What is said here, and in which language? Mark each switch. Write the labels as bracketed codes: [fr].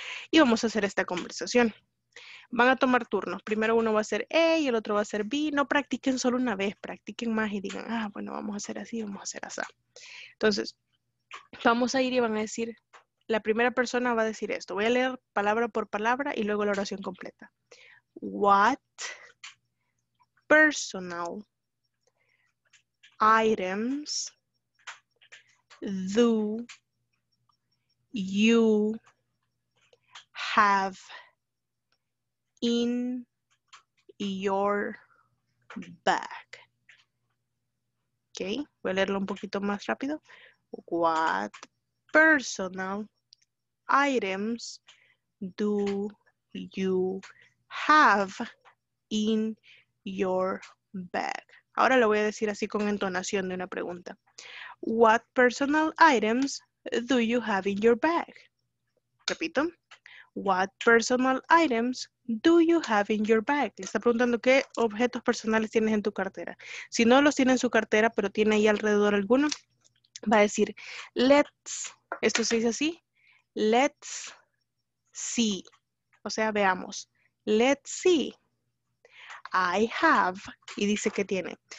[es] Y vamos a hacer esta conversación. Van a tomar turnos. Primero uno va a ser A y el otro va a ser B. No practiquen solo una vez, practiquen más y digan, ah, bueno, vamos a hacer así, vamos a hacer así. Entonces, vamos a ir y van a decir, la primera persona va a decir esto. Voy a leer palabra por palabra y luego la oración completa. [en] What personal items do you have in your bag? [es] Okay, voy a leerlo un poquito más rápido. [en] What personal items do you have in your bag? [es] Ahora lo voy a decir así con entonación de una pregunta. [en] What personal items do you have in your bag? [es] Repito. [en] What personal items do you have in your bag? [es] Le está preguntando qué objetos personales tienes en tu cartera. Si no los tiene en su cartera, pero tiene ahí alrededor alguno, va a decir, let's, esto se dice así, [en] let's see. [es] O sea, veamos, [en] let's see, I have, [es] y dice que tiene.